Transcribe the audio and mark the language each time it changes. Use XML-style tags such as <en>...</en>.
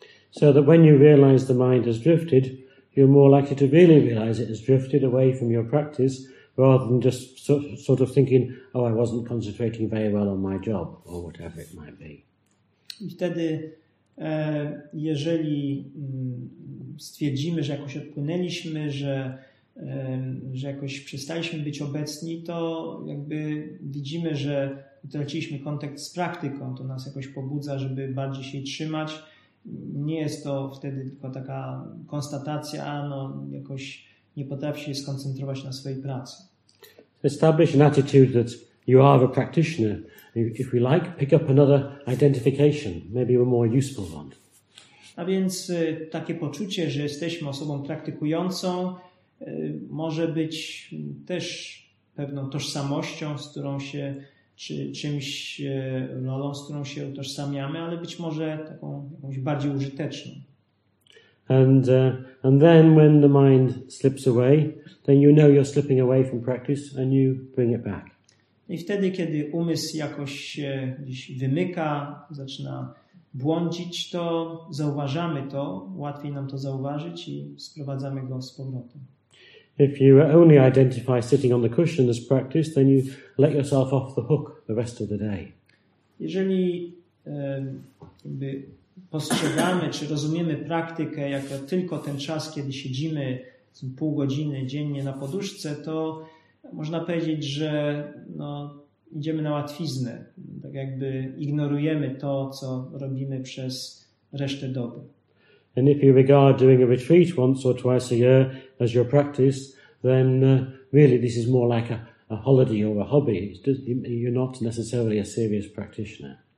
<en>So that when you realize the mind has drifted, you're more likely to really realize it has drifted away from your practice, rather than just sort of thinking, oh, I wasn't concentrating very well on my job, or whatever it might be.</en> <pl>I wtedy, jeżeli stwierdzimy, że jakoś odpłynęliśmy, że jakoś przestaliśmy być obecni, to jakby widzimy, że utraciliśmy kontakt z praktyką, to nas jakoś pobudza, żeby bardziej się trzymać. Nie jest to wtedy tylko taka konstatacja, a no jakoś nie potrafi się skoncentrować na swojej pracy.</pl> <en>Establish an attitude that you are a practitioner. If we like, pick up another identification, maybe a more useful one.</en> <pl>A więc takie poczucie, że jesteśmy osobą praktykującą, może być też pewną tożsamością, z którą się, czy czymś rolą, z którą się utożsamiamy, ale być może taką jakąś bardziej użyteczną.</pl> <en>And then when the mind slips away, then you know you're slipping away from practice and you bring it back.</en> <pl>I wtedy, kiedy umysł jakoś się gdzieś wymyka, zaczyna błądzić, to zauważamy to, łatwiej nam to zauważyć i sprowadzamy go z powrotem.</pl> <en>If you only identify sitting on the cushion as practice, then you let yourself off the hook the rest of the day.</en> <pl>Jeżeli jakby postrzegamy czy rozumiemy praktykę jako tylko ten czas, kiedy siedzimy pół godziny dziennie na poduszce, to można powiedzieć, że no, idziemy na łatwiznę, tak jakby ignorujemy to, co robimy przez resztę doby.</pl> <en>And if you regard doing a retreat once or twice a year as your practice, then really this is more like a holiday or a hobby. You're not necessarily a serious practitioner.</en>